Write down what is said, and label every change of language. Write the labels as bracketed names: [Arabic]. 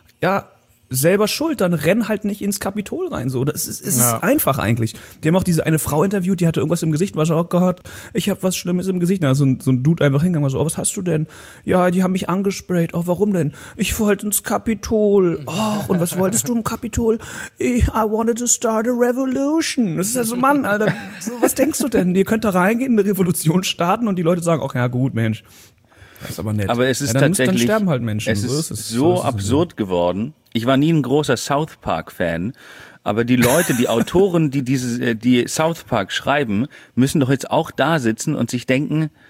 [German] Ja, selber schuld, dann renn halt nicht ins Kapitol rein. So, das ist einfach eigentlich. Die haben auch diese eine Frau interviewt, die hatte irgendwas im Gesicht, war schon auch gehört, ich habe was Schlimmes im Gesicht. Na, so ein Dude einfach hingegangen, war so, oh, was hast du denn? Ja, die haben mich angesprayt. Oh, warum denn? Ich wollte ins Kapitol. Oh, und was wolltest du im Kapitol? [English] I wanted to start a revolution. [German] Das ist ja so, Mann, Alter, so, was denkst du denn? Ihr könnt da reingehen, eine Revolution starten und die Leute sagen, ach ja, gut, Mensch. Das ist aber nett. Aber es ist ja, dann tatsächlich, dann sterben halt Menschen. Es ist so absurd geworden. Ich war nie ein großer South Park-Fan, aber die Leute, die Autoren, die South Park schreiben, müssen doch jetzt auch da sitzen und sich denken,